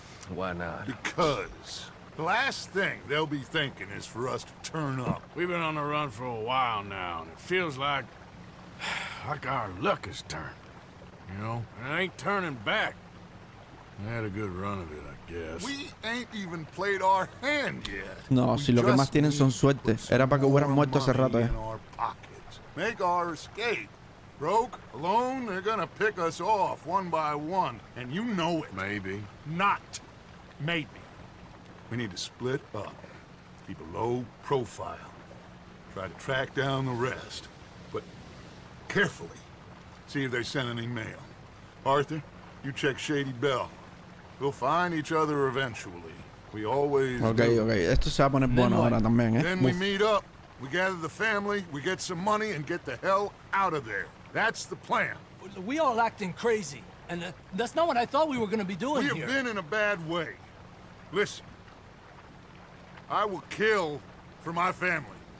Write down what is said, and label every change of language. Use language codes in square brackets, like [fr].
[en] Why not? Because the last thing they'll be thinking is for us to turn up. We've been on the run for a while now, and it feels like our luck has turned. You know, it ain't turning back. Had a good run of it, I guess. We ain't even played our hand yet. [es] No, si lo que más tienen son suerte. Era para que hubieran muerto hace rato, [en] Make our escape. Broke, alone, they're gonna pick us off one by one. And you know it. Maybe. Not maybe. We need to split up. Keep a low profile. Try to track down the rest. But carefully. See if they send any mail. Arthur, you check Shady Bell. We'll find each other eventually. We always Okay. [es] Esto se va a poner bueno ahora también, ¿eh? [en] Then we meet up. We gather the family, we get some money, and get the hell out of there. That's the plan. We all acting crazy, and that's not what I thought we were going to be doing here. We have been in a bad way. Listen, I will kill for my family.